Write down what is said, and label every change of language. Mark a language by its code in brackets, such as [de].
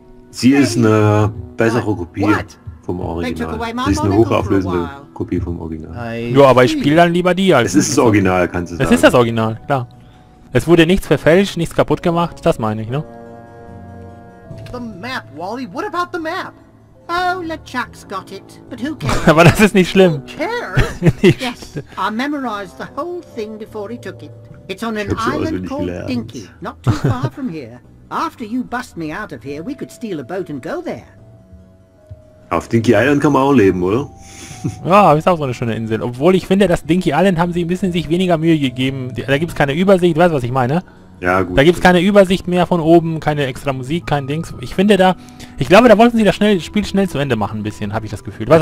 [de] Sie ist eine bessere Kopie vom Original. Sie ist eine hochauflösende Kopie vom Original. Ja, aber ich spiele dann lieber die als. Es ist das Original, kannst du sagen. Es ist das Original, klar. Es wurde nichts verfälscht, nichts kaputt gemacht, das meine ich, ne? [en] The map, Wally. What about the map? Oh, LeChuck's got it. But who cares? [de] Aber das ist nicht schlimm. [en] Who cares? Yes, I memorized the whole thing before he took it. It's on an island called Dinky, not too far from here. After you bust me out of here, we could steal a boat and go there. [de] Auf Dinky Island kann man auch leben, oder? Ja, ist auch so eine schöne Insel. Obwohl ich finde, dass Dinky Island haben sie ein bisschen sich weniger Mühe gegeben. Da gibt es keine Übersicht, weißt du, was ich meine? Ja, gut. Da gibt es keine Übersicht mehr von oben, keine extra Musik, kein Dings. Ich finde da, ich glaube, da wollten sie das schnell, Spiel schnell zu Ende machen, ein bisschen, habe ich das Gefühl.